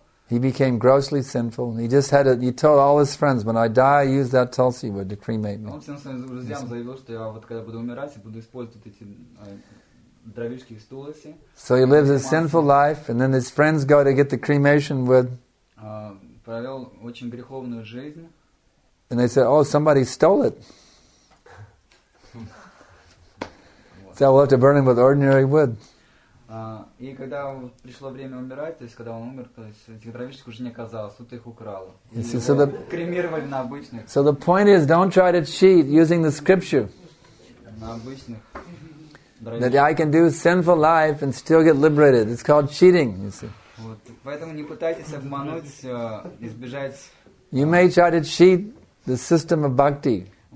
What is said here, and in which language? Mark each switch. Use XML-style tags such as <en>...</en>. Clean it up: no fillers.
<en>He became grossly sinful. He just had it. He told all his friends, "When I die, I use that tulsi wood to cremate me." So he lives a sinful life, and then his friends go to get the cremation wood.</en> <ru>Провел очень греховную жизнь.</ru> <en>And they said, oh, somebody stole it. So we'll have to burn him with ordinary wood.</en> <ru>И когда пришло время умирать, то есть когда он умер, то есть этих дровишек уже не оказалось, тут их украло. Кремировали на обычных.</ru> <en>So the point is, don't try to cheat using the scripture.</en> <ru>На обычных.</ru> <en>That I can do sinful life and still get liberated. It's called cheating, you see.</en> <ru>Поэтому не пытайтесь обмануть, избежать.</ru> <en>You may try to cheat the system of bhakti.</en>